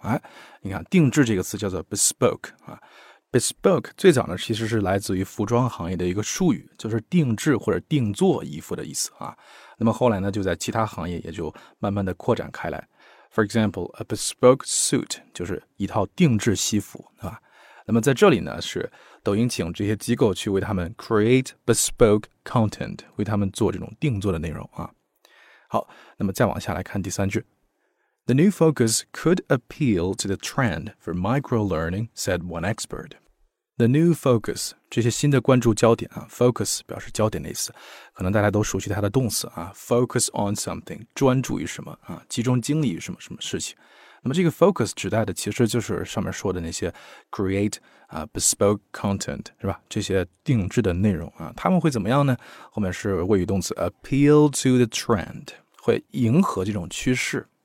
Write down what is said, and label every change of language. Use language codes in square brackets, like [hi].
[zh] 哎，你看定制这个词叫做 bespoke 啊， bespoke 最早呢其实是来自于服装行业的一个术语，就是定制或者定做衣服的意思啊，那么后来呢就在其他行业也就慢慢的扩展开来。 [en] For example, a bespoke suit [zh] 就是一套定制西服， [en] 对吧？ [zh] 那么在这里呢，是抖音请这些机构去为他们 [en] create bespoke content， [zh] 为他们做这种定做的内容啊。好，那么再往下来看第三句。 [en] The new focus could appeal to the trend for micro-learning, said one expert. The new focus， [zh] 这些新的关注焦点啊， focus 表示焦点的意思，可能大家都熟悉它的动词啊， [en] focus on something， [zh] 专注于什么啊，集中精力于什么什么事情。那么这个 focus 指代的其实就是上面说的那些 create 啊 bespoke content， 是吧，这些定制的内容啊，他们会怎么样呢，后面是谓语动词 [en] appeal to the trend， [zh] 会迎合这种趋势。